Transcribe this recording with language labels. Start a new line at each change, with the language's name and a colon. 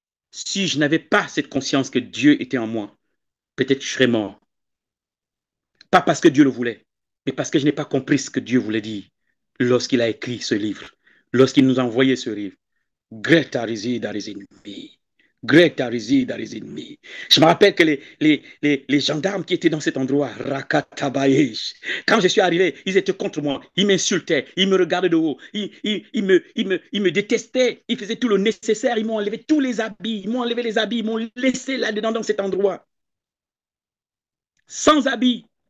French: Si je n'avais pas cette conscience que Dieu était en moi, peut-être je serais mort. Pas parce que Dieu le voulait, mais parce que je n'ai pas compris ce que Dieu voulait dire lorsqu'il a écrit ce livre, lorsqu'il nous a envoyé ce livre.
English: Greater is he that is in me. Greater is he that is in me.
French: Je me rappelle que les gendarmes qui étaient dans cet endroit, Rakatabayesh, quand je suis arrivé, ils étaient contre moi. Ils m'insultaient. Ils me regardaient de haut. Ils me détestaient. Ils faisaient tout le nécessaire. Ils m'ont enlevé tous les habits. Ils m'ont enlevé les habits. Ils m'ont laissé là-dedans dans cet endroit. Sans habits.